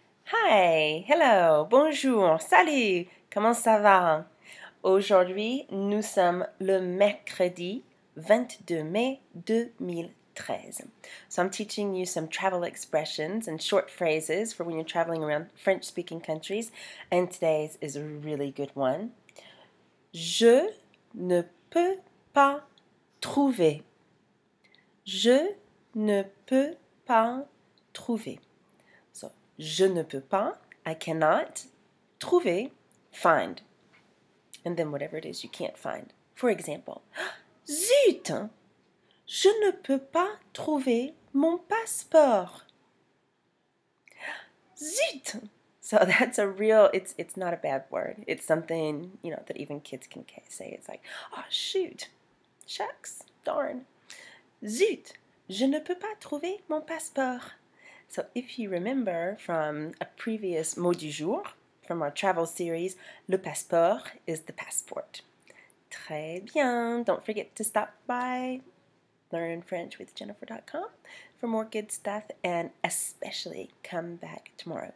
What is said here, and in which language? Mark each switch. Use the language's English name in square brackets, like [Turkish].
[English] Hi, hello, [French] bonjour, salut, comment ça va? Aujourd'hui, nous sommes le mercredi 22 mai 2013. [English] So I'm teaching you some travel expressions and short phrases for when you're traveling around French-speaking countries, and today's is a really good one. [French] Je ne peux pas trouver. Je ne peux pas trouver. Je ne peux pas, [English] I cannot, [French] trouver, find. [English] And then whatever it is you can't find. For example, zut! [French] Je ne peux pas trouver mon passeport. Zut! [English] So that's a real, it's not a bad word. It's something, you know, that even kids can say. It's like, oh shoot, shucks, darn. [French] Zut! Je ne peux pas trouver mon passeport. [English] So if you remember from a previous mot du jour from our travel series, le passeport is the passport. [French] Très bien. [English] Don't forget to stop by learnfrenchwithjennifer.com for more good stuff and especially come back tomorrow.